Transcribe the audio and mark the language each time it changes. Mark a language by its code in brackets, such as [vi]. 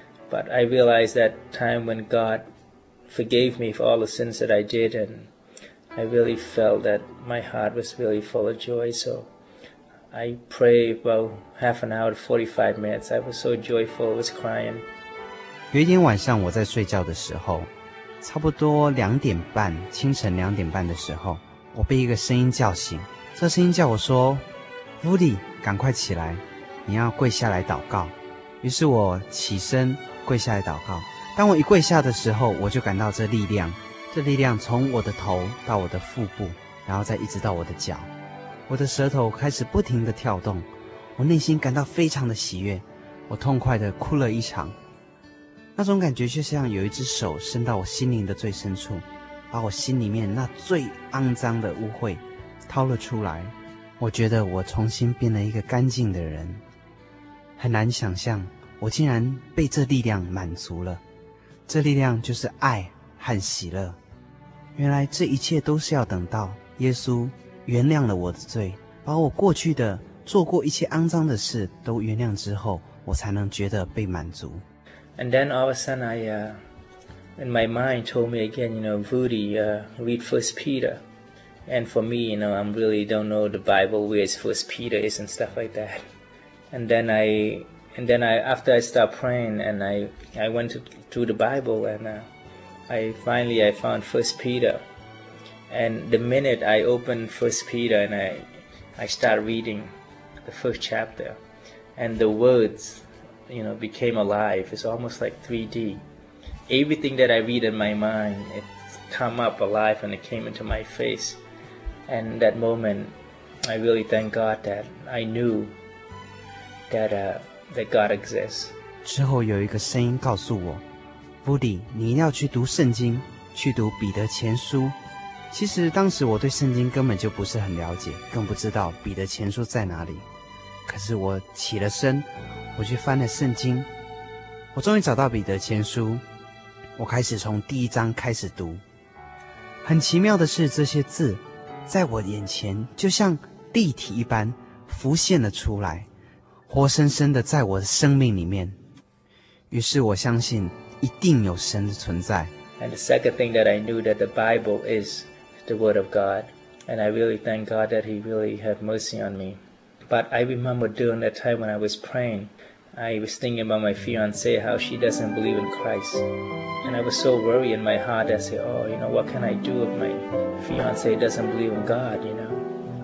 [en] But I realized that time when God forgave me for all the sins that I did, andI really felt that my heart was really full of joy. So I prayed about half an hour, 45 minutes. I was so joyful, I was crying. [zh] 有一天晚上我在睡觉的时候，差不多两点半，清晨两点半的时候，我被一个声音叫醒。这声音叫我说 ,Rudy, 赶快起来，你要跪下来祷告。于是我起身跪下来祷告。当我一跪下的时候，我就感到这力量。这力量从我的头到我的腹部，然后再一直到我的脚，我的舌头开始不停地跳动，我内心感到非常的喜悦，我痛快地哭了一场。那种感觉就像有一只手伸到我心灵的最深处，把我心里面那最肮脏的污秽掏了出来，我觉得我重新变了一个干净的人。很难想象我竟然被这力量满足了，这力量就是爱和喜乐。原来这一切都是要等到耶稣原谅了我的罪，把我过去的做过一切肮脏的事都原谅之后，我才能觉得被满足。 [en] And then all of a sudden, in my mind told me again, you know, Rudy, read First Peter. And for me, you know, I really don't know the Bible, where is First Peter is and stuff like that. And then I, after I start praying, and I went to the Bible, I finally found 1 Peter, and the minute I opened 1 Peter and I started reading the first chapter, and the words, you know, became alive. It's almost like 3D. Everything that I read in my mind, it come up alive and it came into my face. And that moment, I really thank God that I knew that God exists. [zh] 之后有一个声音告诉我，Rudy, 你一定要去读圣经，去读彼得前书，其实当时我对圣经根本就不是很了解，更不知道彼得前书在哪里。可是我起了身，我去翻了圣经，我终于找到彼得前书，我开始从第一章开始读。很奇妙的是，这些字在我眼前就像立体一般浮现了出来，活生生的在我的生命里面。于是我相信一定有神的存在。 [en] And the second thing that I knew that the Bible is the Word of God, and I really thank God that He really had mercy on me. But I remember during that time when I was praying, I was thinking about my fiance, how she doesn't believe in Christ. And I was so worried in my heart, I said, oh, you know, what can I do if my fiance doesn't believe in God, you know?